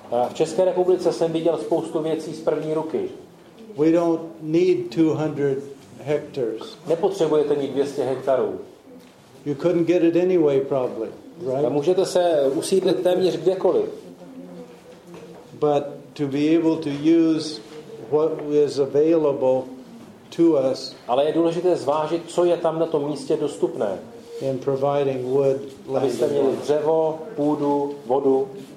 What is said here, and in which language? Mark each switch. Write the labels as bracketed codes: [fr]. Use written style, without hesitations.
[cs] V České republice jsem viděl spoustu věcí z první ruky. [en] We don't need 200 hectares. [cs] Nepotřebujete mít 200 hektarů. [en] You couldn't get it anyway, probably. Right? [cs] A můžete se usídlit téměř kdekoliv. [en] But to be able to use what is available to us. [cs] Ale je důležité zvážit, co je tam na tom místě dostupné. [en] In providing wood, [cs] abyste měli dřevo, půdu, vodu.